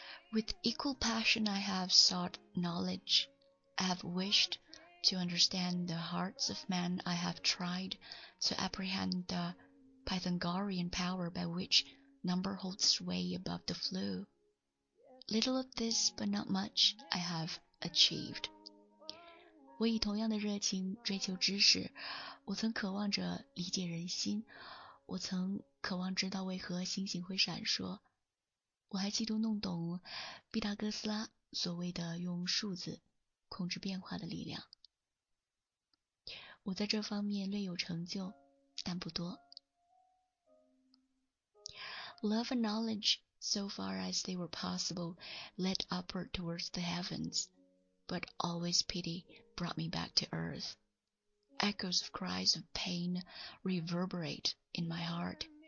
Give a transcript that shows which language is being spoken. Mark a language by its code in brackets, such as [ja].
[en] With equal passion I have sought knowledge, I have wished to understand the hearts of men, I have tried to apprehend the Pythagorean power by which number holds sway above the flu. Little of this, but not much, I have achieved. [zh] 我以同样的热情追求知识，我曾渴望着理解人心，我曾渴望知道为何星星会闪烁，我还企图弄懂毕达哥斯拉所谓的用数字控制变化的力量。我在这方面略有成就，但不多。 [en] Love and knowledge, so far as they were possible, led upward towards the heavens, but always pity brought me back to earth. Echoes of cries of pain reverberate in my heart.